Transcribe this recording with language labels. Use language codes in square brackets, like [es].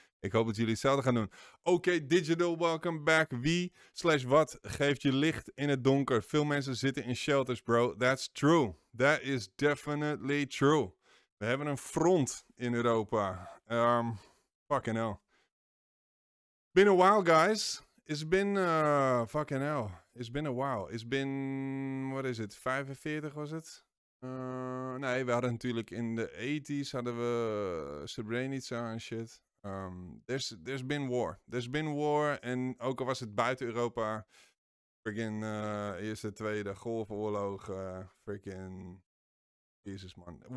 [nl] Ik hoop dat jullie hetzelfde gaan doen. [en] Okay, Digital, welcome back. [nl] Wie/wat geeft je licht in het donker? Veel mensen zitten in shelters, bro. [en] That's true. That is definitely true. [nl] We hebben een front in Europa. [en] Fucking hell. Been a while, guys. It's been, fucking hell, it's been a while. It's been, what is it, 45 [nl] was het? Nee, we hadden natuurlijk in de 80s hadden we Srebrenica en shit. [en] There's been war. There's been war [nl] en ook al was het buiten Europa. Freaking Eerste, Tweede, Golfoorlog, freaking, Jesus man.